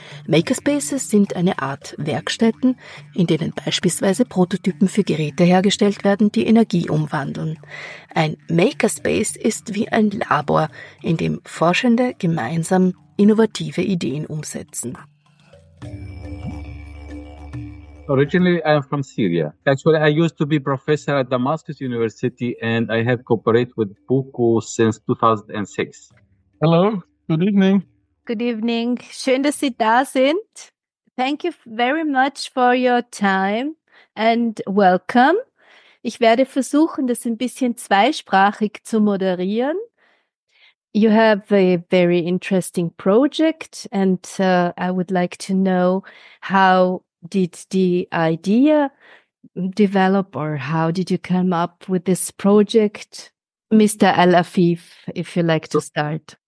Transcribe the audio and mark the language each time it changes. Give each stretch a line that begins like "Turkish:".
German: Makerspaces sind eine Art Werkstätten, in denen beispielsweise Prototypen für Geräte hergestellt werden, die Energie umwandeln. Ein Makerspace ist wie ein Labor, in dem Forschende gemeinsam innovative Ideen umsetzen.
English: Originally, I am from Syria. Actually, I used to be professor at Damascus University and I have cooperated with BOKU since 2006. Hello, good evening. Good evening.
German: Schön, dass Sie da sind.
English: Thank you very much for your time and welcome.
German: Ich werde versuchen, das ein bisschen zweisprachig zu moderieren.
English: You have a very interesting project and I would like to know, how did the idea develop or how did you come up with this project? Mr. Al-Afif, if you like to start.